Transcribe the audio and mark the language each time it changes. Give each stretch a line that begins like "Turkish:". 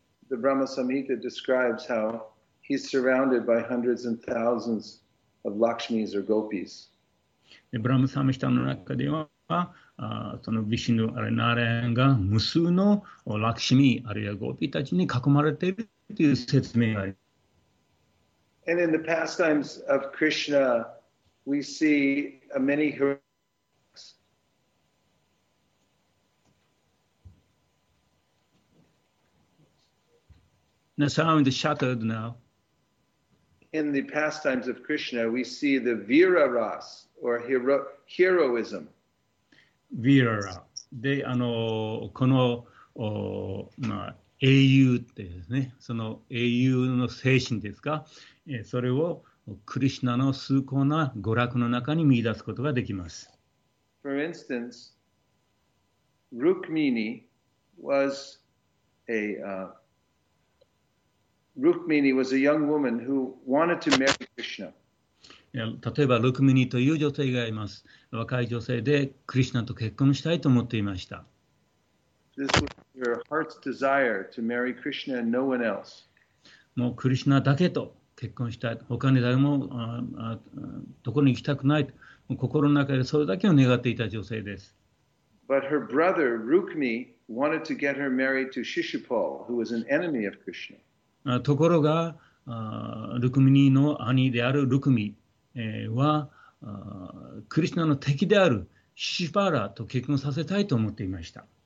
English: The Brahma Samhita describes how he's surrounded by hundreds and thousands of Lakshmis or Gopis.
Japanese: で、ブラムサムヒタの中では、そのヴィシヌ、あれ、ナーラヤンが無数のラクシミ、あるいはゴピたちに囲まれているという説明があります。
English: And in the pastimes of Krishna, we see many heroics. The sound is shattered now. In the pastimes of Krishna, we see the Vira Ras, or heroism.
Japanese: ヴィララで、この、まあ、英雄ってですね、その英雄の精神ですか、それをクリシュナの崇高な娯楽の中に見出すことができます。
English: For instance, Rukmini was a young woman who wanted to marry Krishna.
Japanese: 例えばルクミニという女性がいます。若い女性でクリシナと結婚したいと思っていました。
English: This was your heart's desire to marry Krishna and no one else.
Japanese: もうクリシナだけと結婚したい、他に誰もどこに行きたくないと、もう心の中でそれだけを願っていた女性です。
English: But her brother Rukmi wanted to get her married to Shishupal, who was an enemy of Krishna.
Japanese: ところがルクミニの兄であるルクミはクリシナの敵であるシシュパーラと結婚させたいと思っていました。